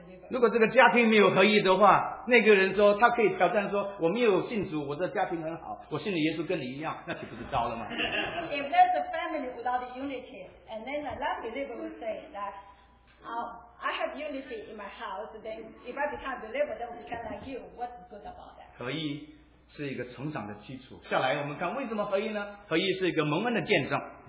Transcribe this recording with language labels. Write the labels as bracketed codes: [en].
[zh] 如果这个家庭没有合一的话，那个人说他可以挑战说我没有信主，我的家庭很好，我信的耶稣跟你一样，那岂不是糟了吗？ [en] If there's a family without unity, and then a non-believer will say that, I have unity in my house, then if I become a believer, then I become like you. What's good about that? [zh] 合一是一个成长的基础。下来我们看为什么合一呢？合一是一个蒙恩的见证。